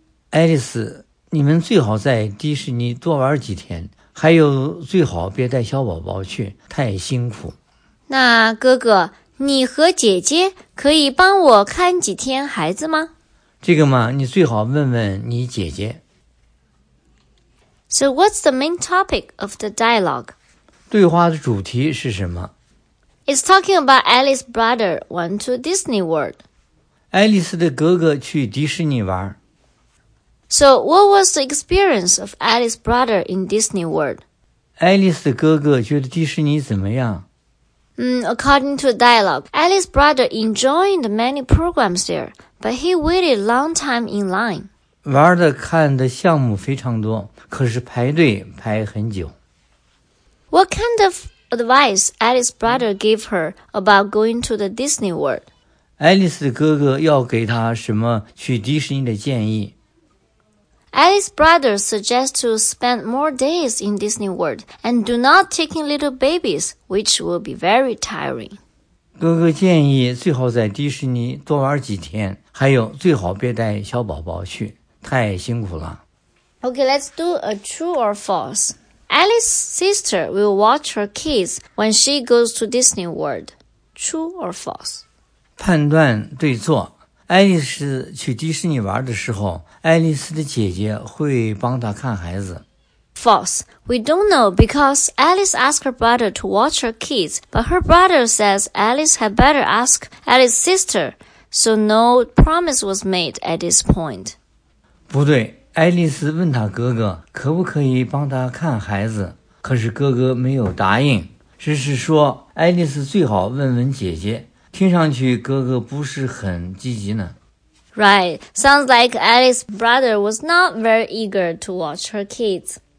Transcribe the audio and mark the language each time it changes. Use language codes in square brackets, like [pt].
[zh] 爱丽丝，你们最好在迪士尼多玩几天，还有最好别带小宝宝去，太辛苦。那哥哥，你和姐姐可以帮我看几天孩子吗？这个嘛，你最好问问你姐姐。 [en] So what's the main topic of the dialogue? [zh] 对话的主题是什么？ [en] It's talking about Alice's brother went to Disney World. [zh] Alice 的哥哥去迪士尼玩。 [en] So, what was the experience of Alice's brother in Disney World? [zh] Alice 的哥哥觉得迪士尼怎么样？ [en] According to the dialogue, Alice's brother enjoyed many programs there, but he waited a long time in line. [zh] 玩的看的项目非常多，可是排队排很久。 [en] What kind of... advice Alice's brother gave her about going to the Disney World. [zh] Alice's 哥哥要给她什么去迪士尼的建议？ [en] Alice's brother suggests to spend more days in Disney World and do not taking little babies, which will be very tiring. [zh] 哥哥建议最好在迪士尼多玩几天，还有最好别带小宝宝去，太辛苦了。 [en] Okay, let's do a true or false. Alice's sister will watch her kids when she goes to Disney World. True or false? [zh] 判断对错。 Alice 去迪士尼玩的时候，爱丽丝的姐姐会帮她看孩子。 [en] False. We don't know because Alice asked her brother to watch her kids, but her brother says Alice had better ask Alice's sister, so no promise was made at this point. [zh] 不对。爱丽丝问她哥哥可不可以帮她看孩子，可是哥哥没有答应，只是说爱丽丝最好问问姐姐，听上去哥哥不是很积极呢。 [en] Right, sounds like Alice's brother was not very eager to watch her kids.